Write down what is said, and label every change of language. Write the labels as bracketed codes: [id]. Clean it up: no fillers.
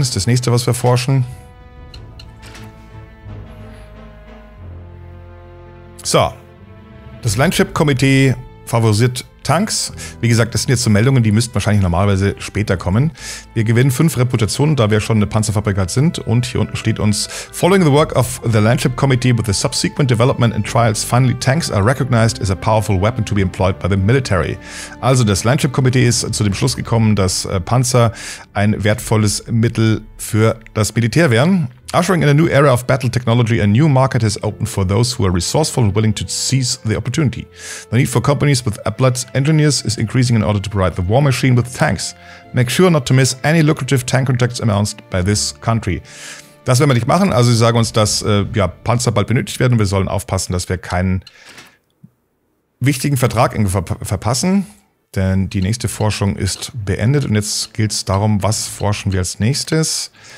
[de] Das ist das nächste, was wir forschen. So, das Landship-Komitee favorisiert Tanks. Wie gesagt, das sind jetzt so Meldungen, die müssten wahrscheinlich normalerweise später kommen. Wir gewinnen 5 Reputationen, da wir schon eine Panzerfabrikat sind. Und hier unten steht uns, [en] following the work of the Landship Committee with the subsequent development and trials, finally tanks are recognized as a powerful weapon to be employed by the military. [de] Also das Landship Committee ist zu dem Schluss gekommen, dass Panzer ein wertvolles Mittel für das Militär wären. [en] Ushering in a new era of battle technology, a new market has opened for those who are resourceful and willing to seize the opportunity. The need for companies with applied engineers is increasing in order to provide the war machine with tanks. Make sure not to miss any lucrative tank contracts announced by this country. [de] Das werden wir nicht machen, also sie sagen uns, dass Panzer bald benötigt werden. Wir sollen aufpassen, dass wir keinen wichtigen Vertrag verpassen, denn die nächste Forschung ist beendet und jetzt geht es darum, was forschen wir als nächstes.